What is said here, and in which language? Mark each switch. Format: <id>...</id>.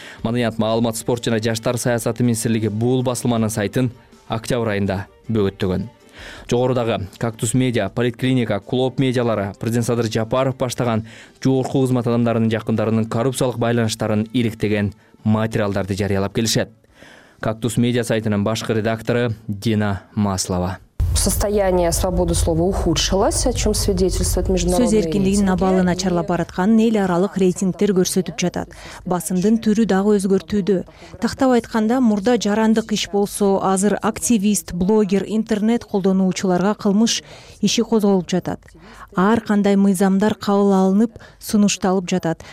<ky>Маданият, маалымат, спорт жана жаштар саясаты министрлиги бул басылманын сайтын октябрь айында бөгөттөгөн. Жогорудагы Кактус медиа, политклиника, клооп медиалары президент Садыр Жапаров баштаган жогорку кызмат адамдарынын жакындарынын коррупциялык байланыштарын иликтеген материалдарды жарыялап келишет. Кактус медиа сайтынын башкы редактору Дина Маслова.</ky> <ru>Состояние свободы слова ухудшилось, о чем свидетельствует международный</ru> <ky>сөз эркиндигинин абалы начарлап баратканын эл аралык рейтингтер көрсөтүп жатат. Басымдын түрү дагы өзгөртүүдө. Тактап айтканда, мурда жарандык иш болсо, азыр активист, блогер, интернет колдонуучуларга кылмыш иши козголуп жатат. Ар кандай мыйзамдар кабыл алынып, сунушталып жатат.</ky>